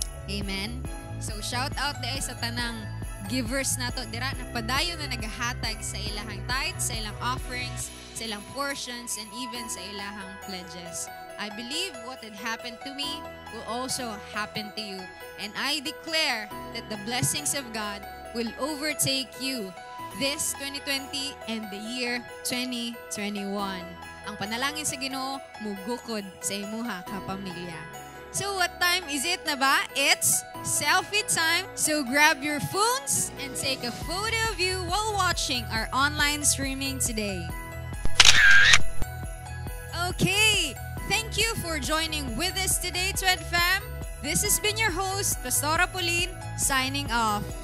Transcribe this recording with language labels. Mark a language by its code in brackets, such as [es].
[ceb] Amen. So shout out dai sa tanang givers nato dira na padayon na naghatag sa ilahang tithes, sa ilang offerings, sa ilang portions, and even sa ilahang pledges. [en] I believe what had happened to me will also happen to you. And I declare that the blessings of God will overtake you this 2020 and the year 2021. [ceb] Ang panalangin sa Ginoo, mugukod sa imuha kapamilya. [en] So what time is it na ba? It's selfie time. So grab your phones and take a photo of you while watching our online streaming today. Okay, thank you for joining with us today, TWED fam. This has been your host, Pastora Pauline, signing off.